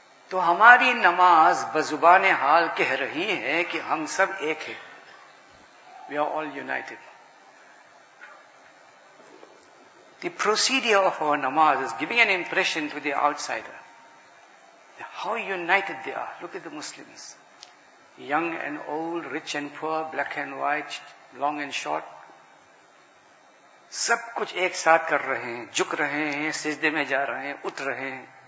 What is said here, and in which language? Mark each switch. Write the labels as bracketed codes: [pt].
[ur] تو ہماری نماز بزبان حال کہہ رہی ہے کہ ہم سب ایک ہیں. [en] We are all united. The procedure of our namaz is giving an impression to the outsider. How united they are. Look at the Muslims. Young and old, rich and poor, black and white, long and short. [ur] سب کچھ ایک ساتھ کر رہے ہیں. جھک رہے ہیں, سجدے میں جا رہے ہیں, اٹھ رہے ہیں.